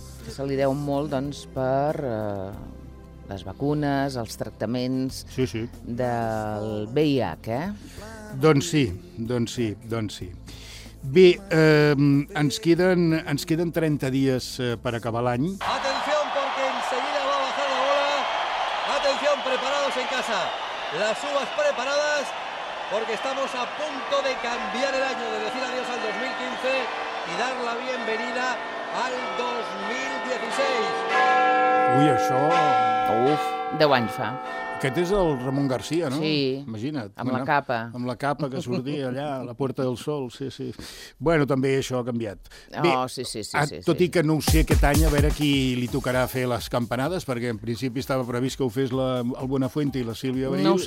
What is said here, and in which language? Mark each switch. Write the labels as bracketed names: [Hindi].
[Catalan] Que se li deu molt doncs per les vacunes, els tractaments del VIH, eh? Doncs sí. Bé, ens queden 30 dies per acabar l'any. [Spanish] Atención, porque enseguida va a bajar la bola. Atención, preparados en casa. Las uvas preparadas, porque estamos a punto de cambiar el año, de decir adiós al 2015 y dar la bienvenida al 2016. [Catalan] Ui, això... Uf, 10 anys fa. Aquest és el Ramon García, no? Sí, imagina't. Amb la capa. Amb la capa que sortia allà a la Puerta del Sol, sí, sí. Bueno, també això ha canviat. Tot i que no ho sé aquest any, a veure qui li tocarà fer les campanades, perquè en principi estava previst que ho fes el Buenafuente i la Sílvia Abril.